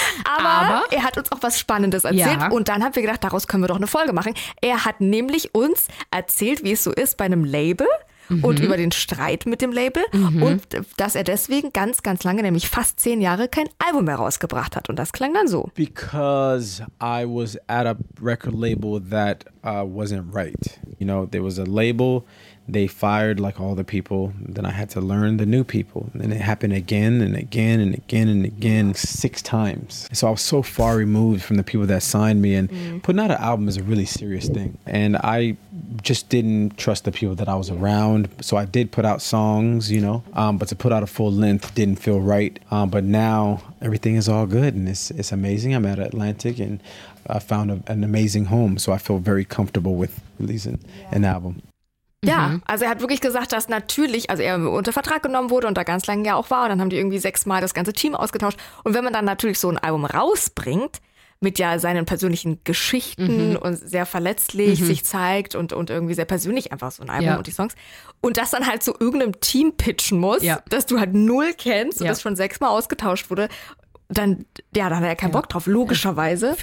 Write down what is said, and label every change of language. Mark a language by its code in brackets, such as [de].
[de] aber er hat uns auch was Spannendes erzählt. Ja. Und dann haben wir gedacht, daraus können wir doch eine Folge machen. Er hat nämlich uns erzählt, wie es so ist bei einem Label. Und über den Streit mit dem Label und dass er deswegen ganz, ganz lange, nämlich fast 10 Jahre, kein Album mehr rausgebracht hat. Und das klang dann so. [en] Because I was at a record label that wasn't right. You know, there was a label, they fired like all the people. Then I had to learn the new people. And it happened again and again and again and again, 6 times. So I was so far removed from the people that signed me. And putting out an album is a really serious thing. And I just didn't trust the people that I was around. So I did put out songs, you know, but to put out a full length didn't feel right. But now everything is all good and it's amazing. I'm at Atlantic and I found an amazing home. So I feel very comfortable with releasing an album. [de] Ja, also er hat wirklich gesagt, dass natürlich, also er unter Vertrag genommen wurde und da ganz lange ja auch war und dann haben die irgendwie 6 Mal das ganze Team ausgetauscht und wenn man dann natürlich so ein Album rausbringt, mit ja seinen persönlichen Geschichten und sehr verletzlich sich zeigt und irgendwie sehr persönlich einfach so ein Album und die Songs und das dann halt zu irgendeinem Team pitchen muss, das du halt null kennst und das schon 6 Mal ausgetauscht wurde, dann, ja, da hat er keinen Bock drauf, logischerweise.